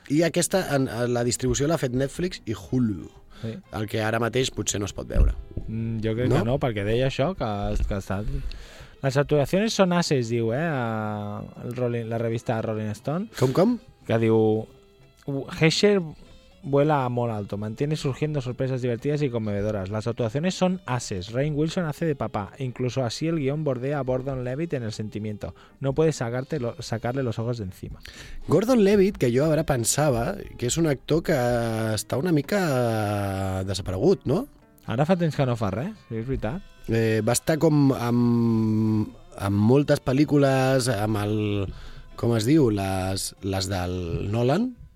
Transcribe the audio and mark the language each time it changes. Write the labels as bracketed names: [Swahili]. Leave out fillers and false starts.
[Catalan] I aquesta, la distribució l'ha fet Netflix i Hulu, sí. El que ara mateix potser no es pot veure. Jo crec que no, perquè deia això, que està... Les actuacions són asses, diu, la revista Rolling Stone. Com? Que diu... [Spanish] Hesher vuela molt alto, mantiene surgiendo sorpresas divertidas y conmovedoras. Las actuaciones son ases. Rainn Wilson hace de papá. Incluso así el guión bordea a Gordon Levitt en el sentimiento. No puedes sacarle los ojos de encima. [Catalan] Gordon Levitt, que jo ara pensava que és un actor que està una mica desaparegut, no? Ara fa temps que no fa res, és veritat. Va estar com amb moltes pel·lícules, amb el... com es diu? Les del Nolan...